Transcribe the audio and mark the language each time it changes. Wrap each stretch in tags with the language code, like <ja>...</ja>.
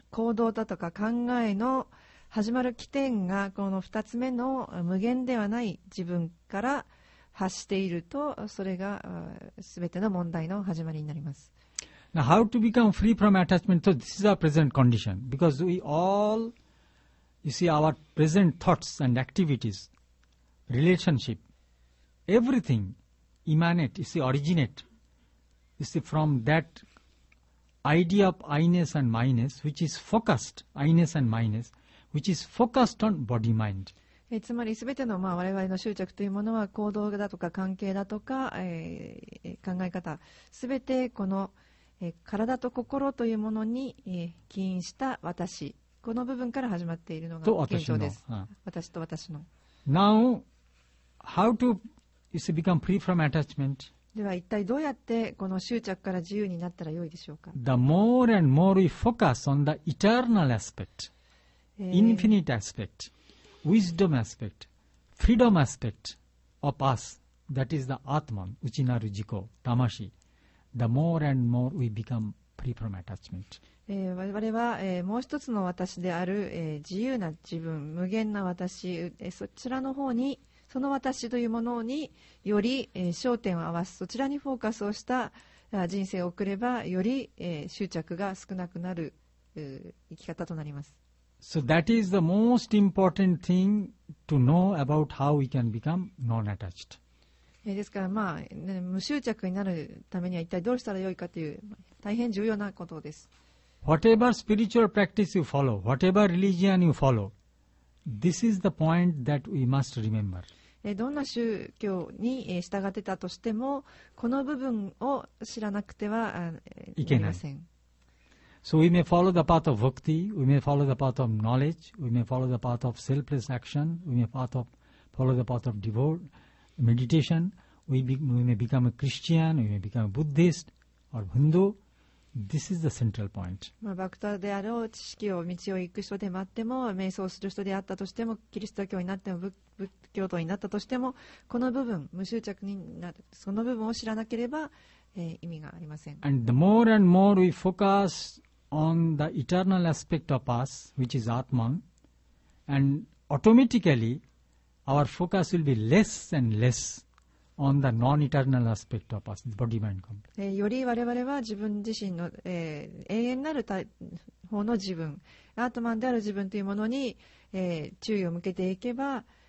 <ja>行動だとか考えの始まる起点がこの二つ目の無限ではない自分から発していると、それが全ての問題の始まりになります。</ja> <en>Now, how to become free from attachment? So this is our present condition. Because we all, you see, our present thoughts and activities, relationship, everything emanate, you see, originate, you see, from that idea of I-ness and my-ness, which is focused, I-ness and my-ness, which is focused on body-mind.</en> <ja>つまりすべての我々の執着というものは行動だとか関係だとか考え方、すべてこの体と心というものに起因した私、この部分から始まっているのが現象です。私と私の。</ja> <en>Now, how to become free from attachment?</en> <ja>では一体どうやってこの執着から自由になったらよいでしょうか?</ja> <en>The more and more we focus on the eternal aspect, infinite aspect, wisdom aspect, freedom aspect of us, that is the Atman, Uchinaru Jiko, Tamashi. The more and more we become free from attachment.</en> <ja>我々は、もう一つの私である、自由な自分、無限な私、そちらの方に、その私というものにより、焦点を合わす、そちらにフォーカスをした人生を送れば、より、執着が少なくなる、生き方となります。</ja> <en>So that is the most important thing to know about how we can become non-attached.</en> <ja>ですから、まあ、無執着になるためには一体どうしたらよいかという大変重要なことです。</ja> <en>Whatever spiritual practice you follow, whatever religion you follow, this is the point that we must remember.</en> <ja>どんな宗教に従ってたとしてもこの部分を知らなくてはいけません。</ja> <en>So we may follow the path of bhakti, we may follow the path of knowledge, we may follow the path of selfless action, we may follow the path of devotion. Meditation, we may become a Christian, we may become a Buddhist or Hindu. This is the central point.</en> <ja>バクタであろう、知識を道を行く人であっても、瞑想する人であったとしても、キリスト教になっても、仏教徒になったとしても、この部分、無執着になる、その部分を知らなければ、意味がありません。</ja> <en>And the more and more we focus on the eternal aspect of us, which is Atman, and automaticallyOur focus will be less and less on the non-eternal aspect of us, body, mind, complex.</en> <ja>より我々は自分自身の、永遠なる方の自分、アートマンである自分というものに、注意を向けていけば、</ja>